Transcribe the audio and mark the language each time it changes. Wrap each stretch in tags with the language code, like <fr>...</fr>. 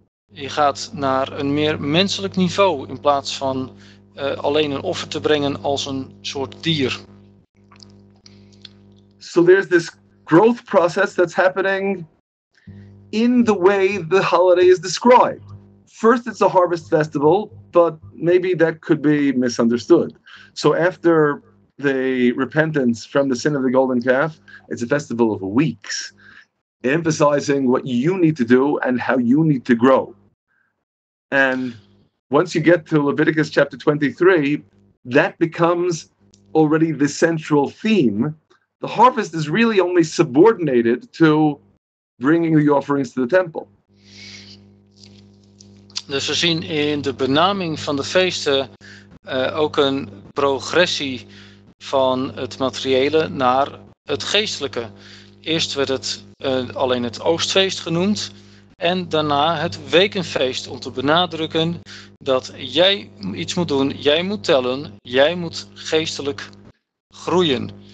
<nl>Je gaat naar een meer menselijk niveau in plaats van alleen een offer te brengen als een soort dier.</nl> <en>So there's this growth process that's happening in the way the holiday is described. First it's a harvest festival, but maybe that could be misunderstood. So after the repentance from the sin of the golden calf, it's a festival of weeks, emphasizing what you need to do and how you need to grow. And once you get to Leviticus chapter 23, that becomes already the central theme. The harvest is really only subordinated to bringing the offerings to the temple.</en> <nl>Dus we zien in de benaming van de feesten ook een progressie van het materiële naar het geestelijke. Eerst werd het alleen het oogstfeest genoemd en daarna het wekenfeest om te benadrukken dat jij iets moet doen, jij moet tellen, jij moet geestelijk groeien.</nl>